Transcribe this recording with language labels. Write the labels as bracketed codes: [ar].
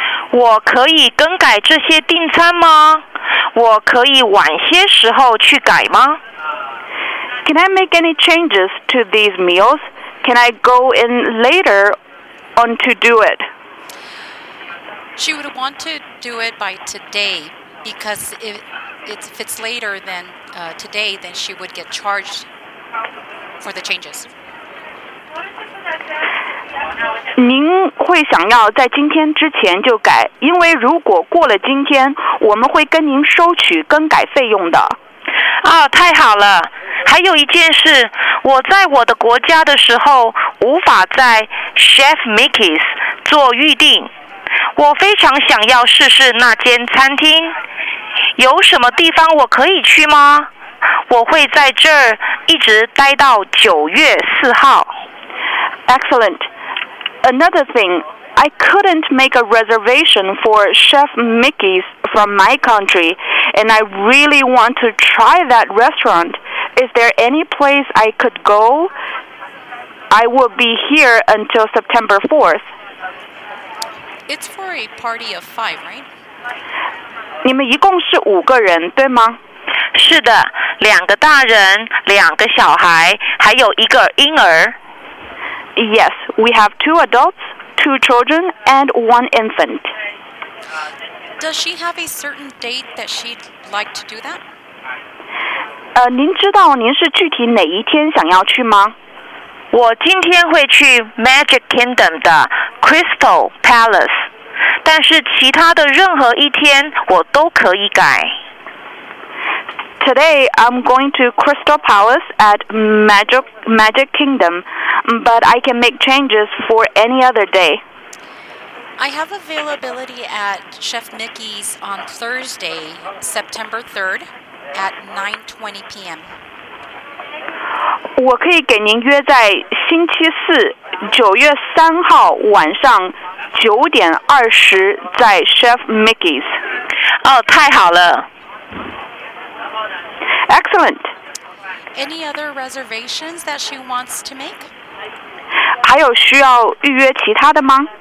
[zh] 我可以更改这些订餐吗？我可以晚些时候去改吗？ [en] Can I make any changes to these meals? Can I go in later on to do it? She would want to do it by today, because if it's later than today, then she would get charged for the changes. [zh] 您会想要在今天之前就改，因为如果过了今天，我们会跟您收取更改费用的。啊，太好了！还有一件事，我在我的国家的时候无法在 Chef Mickey's 做预订，我非常想要试试那间餐厅，有什么地方我可以去吗？我会在这儿一直待到9月4号。 [en] Excellent. Another thing, I couldn't make a reservation for Chef Mickey's from my country, and I really want to try that restaurant. Is there any place I could go? I will be here until September 4th. It's for a party of 5, right? [zh] 你们一共是五个人，对吗？是的，两个大人，两个小孩，还有一个婴儿。 [en] Yes, we have 2 adults, 2 children, and 1 infant. Does she have a certain date that she'd like to do that? [zh] 您知道您是具体哪一天想要去吗？我今天会去 Magic Kingdom 的 Crystal Palace, 但是其他的任何一天我都可以改。 [en] Today, I'm going to Crystal Palace at Magic Kingdom, but I can make changes for any other day. I have availability at Chef Mickey's on Thursday, September 3rd, at 9:20 p.m. [zh] 我可以给您约在星期四9月3号晚上9:20在 Chef Mickey's. 太好了。 [en] Excellent. Any other reservations that she wants to make? [zh] 还有需要预约其他的吗？